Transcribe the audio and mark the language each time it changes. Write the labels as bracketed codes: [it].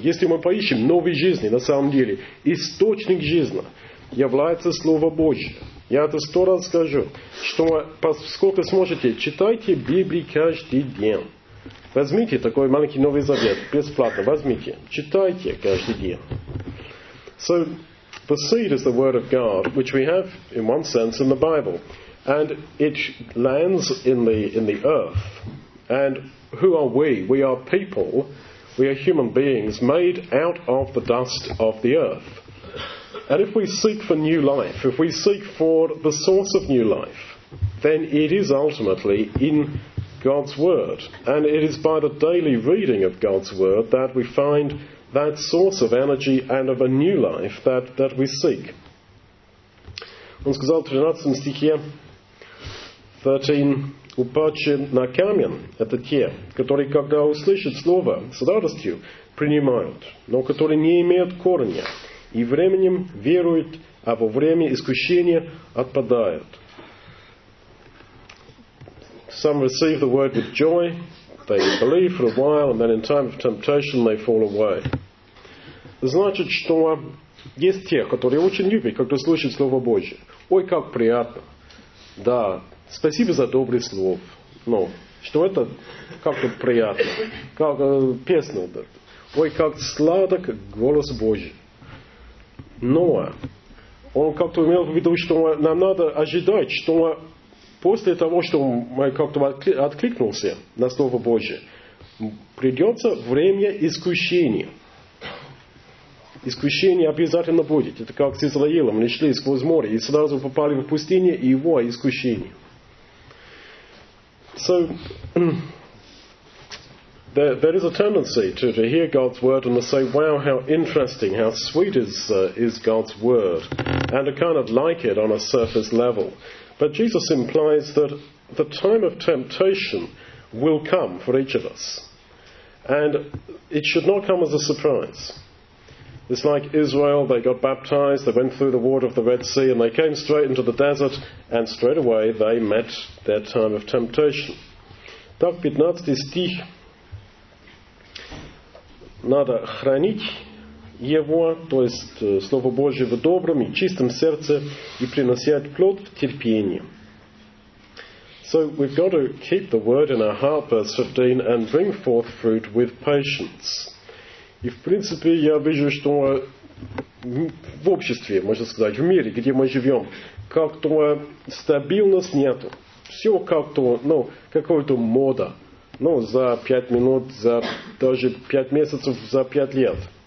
[ru] Если мы поищем новой жизни, на самом деле, источник жизни является Слово Божие. Я это 100 раз скажу, что сколько сможете, читайте Библию каждый день. Возьмите такой маленький Новый Завет, бесплатно, возьмите, читайте каждый день. So, [en] The seed is the word of God, which we have, in one sense, in the Bible. And it lands in the earth. And who are we? We are people. We are human beings made out of the dust of the earth. And if we seek for new life, if we seek for the source of new life, then it is ultimately in God's word. And it is by the daily reading of God's word that we find that source of energy and of a new life that we seek. [ru] Он сказал в 13 стихе, 13, упадши на камень, это те, которые, когда услышат слово с радостью, принимают, но которые не имеют корня, и временем веруют, а во время искушения отпадают. [en] Some receive the word with joy, they believe for a while, and then in time of temptation they fall away. [ru] Значит, что есть те, которые очень любят, когда слышат Слово Божие. Ой, как приятно. Да, спасибо за добрый слов. Но что это как-то приятно. Как песня. Да. Ой, как сладок голос Божий. Но он как-то имел в виду, что нам надо ожидать, что после того, что мы как-то откликнулся на Слово Божие, придется время искушения. Искушение обязательно будет. Это как с Израилем. Они шли сквозь море и сразу попали в пустыню, и его искушение. [en] So, there is a tendency to hear God's word and to say, wow, how interesting, how sweet is God's word. And to kind of like it on a surface level. But Jesus implies that the time of temptation will come for each of us. And it should not come as a surprise. It's like Israel, they got baptized, they went through the water of the Red Sea, and they came straight into the desert, and straight away they met their time of temptation. [ru] Так 15 стих. Надо хранить его, то есть Слово Божие в добром и чистом сердце, и приносить плод в терпении. [en] So we've got to keep the word in our heart, verse 15, and bring forth fruit with patience. [ru] И, в принципе, я вижу, что в обществе, можно сказать, в мире, где мы живем, как-то стабильность нету. Все как-то, ну, какая-то мода. Ну, за 5 минут, за даже 5 месяцев, за 5 лет.